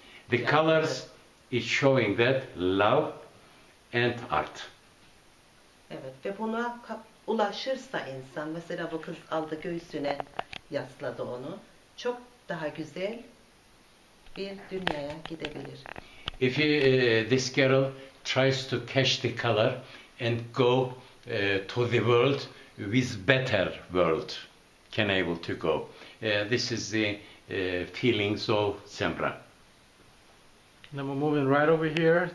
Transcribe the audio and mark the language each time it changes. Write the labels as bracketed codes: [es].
[en] The colors is showing that love and art. [tr] Evet, ve buna ulaşırsa insan, mesela bu kız aldı göğsüne yasladı onu, çok daha güzel bir dünyaya gidebilir. [en] If he, this girl tries to catch the color and go to the world with better world, can able to go. This is the feelings of Semra. Now we're moving right over here.